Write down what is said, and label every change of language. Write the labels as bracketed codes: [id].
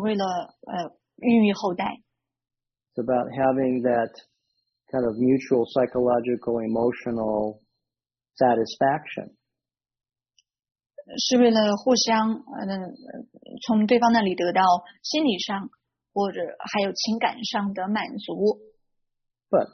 [zh] 所以不光是为了孕育后代。 [en] It's about having that kind of mutual psychological emotional satisfaction. [zh] 是为了互相从对方那里得到心理上或者还有情感上的满足。 [en] But